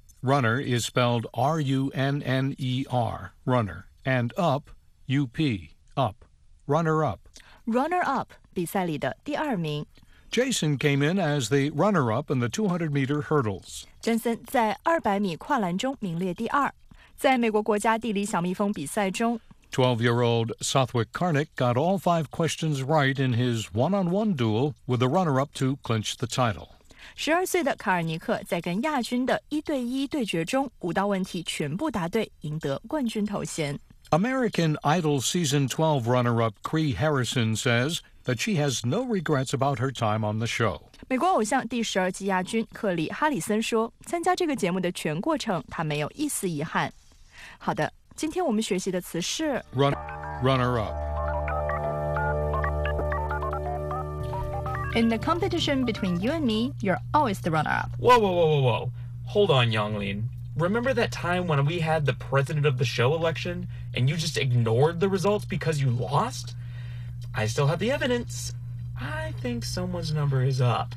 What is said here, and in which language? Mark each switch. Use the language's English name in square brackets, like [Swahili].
[English] Runner is spelled R-U-N-N-E-R, runner, and up, U-P, up, runner-up. [Chinese] Runner-up, 比赛里的第二名。 [English] Jason came in as the runner-up in the 200-meter hurdles. [Chinese] Jason 在200米跨栏中名列第二。在美国国家地理小蜜蜂比赛中 [English] 12-year-old Southwick Karnick got all five questions right in his one-on-one duel with the runner-up to clinch the title. [Chinese] 十二岁的卡尔尼克在跟亚军的一对一对决中，五道问题全部答对，赢得冠军头衔。 [English] American Idol Season 12 runner-up Cree Harrison says that she has no regrets about her time on the show. [Chinese] 美国偶像第十二季亚军克里·哈里森说，参加这个节目的全过程，他没有一丝遗憾。好的，今天我们学习的词是 [English] runner-up. In the competition between you and me, you're always the runner-up. Whoa, whoa, whoa, whoa, whoa. Hold on, Yonglin. Remember that time when we had the president of the show election and you just ignored the results because you lost? I still have the evidence. I think someone's number is up.